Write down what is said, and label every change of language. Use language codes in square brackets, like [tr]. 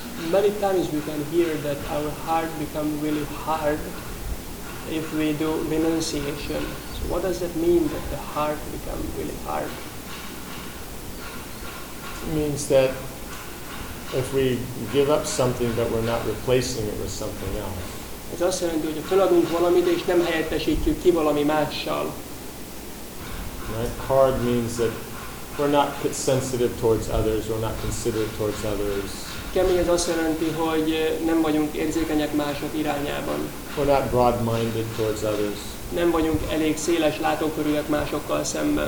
[en] Many times we can hear that our heart become really hard if we do renunciation. So what does that mean, that the heart become really hard? It means that if we give up something, but we're not replacing it with something else. [hu] Ez azt jelenti, hogy feladunk valamit, és nem helyettesítjük ki valami mással. [en] Right? Hard means that we're not sensitive towards others, we're not considerate towards others. [hu] Kemény az azt jelenti, hogy nem vagyunk érzékenyek mások irányában. [en] We're not broad-minded towards others. [hu] Nem vagyunk elég széles látókörűek másokkal szemben.